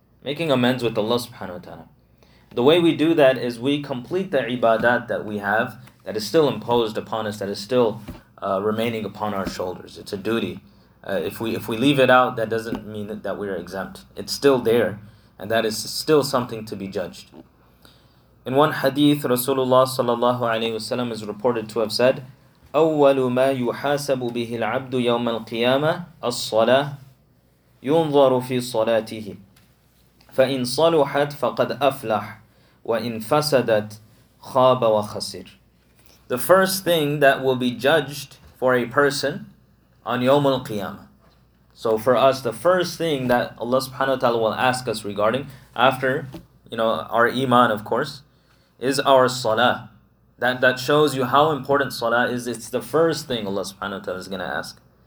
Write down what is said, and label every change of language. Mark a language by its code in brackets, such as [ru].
[en] Making amends with Allah subhanahu wa ta'ala. The way we do that is we complete the ibadat that we have that is still imposed upon us, that is still remaining upon our shoulders. It's a duty. If we leave it out, that doesn't mean that we are exempt. It's still there, and that is still something to be judged. In one hadith, Rasulullah sallallahu alaihi wasallam is reported to have said, [ar] أَوَّلُ مَا يُحَاسَبُ بِهِ الْعَبْدُ يَوْمَ الْقِيَامَةِ الصَّلَاةِ يُنظَرُ فِي صَلَاتِهِ فَإِنْ صَلُحَتْ فَقَدْ أَفْلَحْ وَإِنْ فَسَدَتْ خَابَ وَخَسِرْ. [en] The first thing that will be judged for a person on Yawm al-Qiyamah. So for us, the first thing that Allah subhanahu wa ta'ala will ask us regarding, after, you know, our iman of course, is our salah. That shows you how important salah is. It's the first thing Allah subhanahu wa ta'ala is going to ask.